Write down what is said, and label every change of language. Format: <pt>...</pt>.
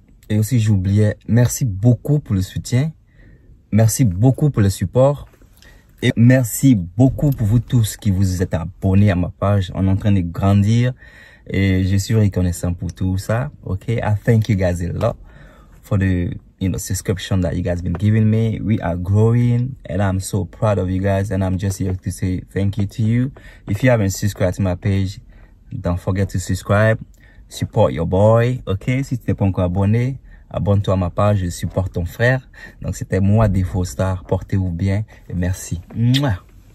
<fr>Et aussi, j'oubliais, merci beaucoup pour le soutien, merci beaucoup pour le support, et merci beaucoup pour vous tous qui vous êtes abonnés à ma page. On est en train de grandir et je suis reconnaissant pour tout ça.</fr> <en>Ok, I thank you guys a lot for the, you know, subscription that you guys been giving me. We are growing and I'm so proud of you guys, and I'm just here to say thank you to you. If you haven't subscribed to my page, don't forget to subscribe. Support your boy, ok?</en> <fr>Si tu n'es pas encore abonné, abonne-toi à ma page, je supporte ton frère. Donc c'était moi, Devo Star. Portez-vous bien et merci. Mouah!</fr>